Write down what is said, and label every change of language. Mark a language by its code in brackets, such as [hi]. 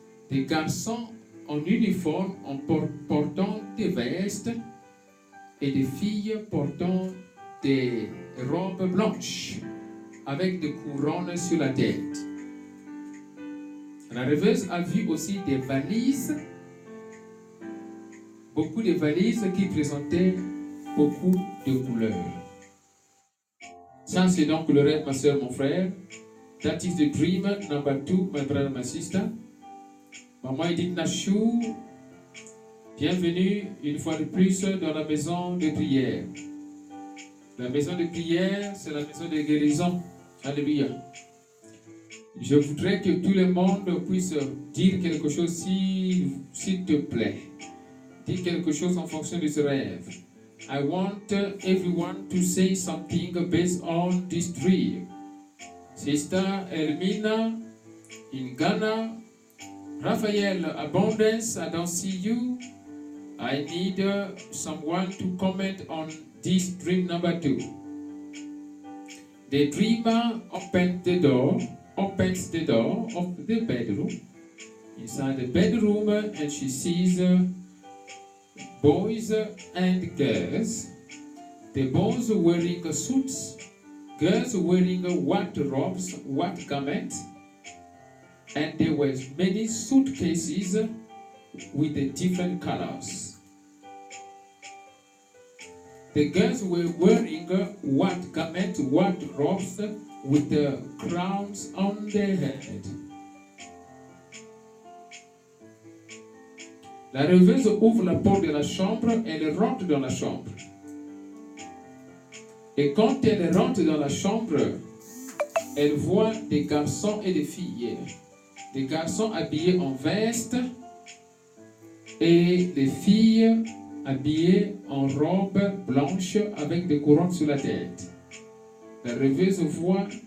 [fr] Des garçons en uniforme, en portant des vestes et des filles portant des robes blanches avec des couronnes sur la tête. La rêveuse a vu aussi des valises, beaucoup de valises qui présentaient beaucoup de couleurs. Ça, c'est donc le rêve, ma soeur, mon frère. [en] That is the dream number 2, my brother, my sister. [fr] Maman Edith Nashu, bienvenue une fois de plus dans la maison de prière. La maison de prière, c'est la maison de guérison. Alléluia. Je voudrais que tout le monde puisse dire quelque chose, s'il te plaît. Dis quelque chose en fonction de ce rêve. [en] I want everyone to say something based on this dream. Sister Elmina in Ghana. Raphael Abundance, I don't see you. I need someone to comment on this dream number 2. The dreamer opens the door of the bedroom. Inside the bedroom, and she sees boys and girls, the boys wearing suits, girls wearing white robes, white garments, and there were many suitcases with different colors. The girls were wearing white garments, white robes with the crowns on their head. [fr] La rêveuse ouvre la porte de la chambre, elle rentre dans la chambre. Et quand elle rentre dans la chambre, elle voit des garçons et des filles. Des garçons habillés en veste et des filles habillées en robe blanche avec des couronnes sur la tête. La rêveuse voit